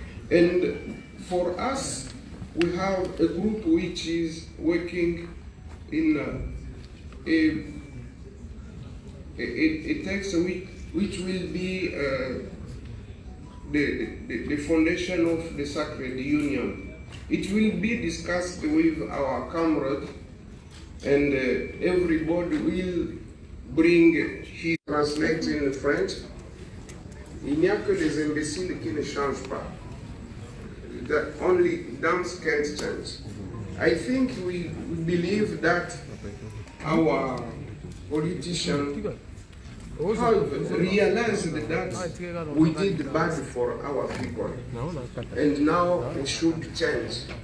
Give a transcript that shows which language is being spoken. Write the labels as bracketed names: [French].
[English] And for us, we have a group which is working in a text which will be the foundation of the Sacred Union. It will be discussed with our comrades, and everybody will bring his translate in French. [French] Il n'y a que des imbéciles qui ne changent pas. [English] That only dumb can't change. I think we believe that our politicians have realized that we did bad for our people, and now we should change.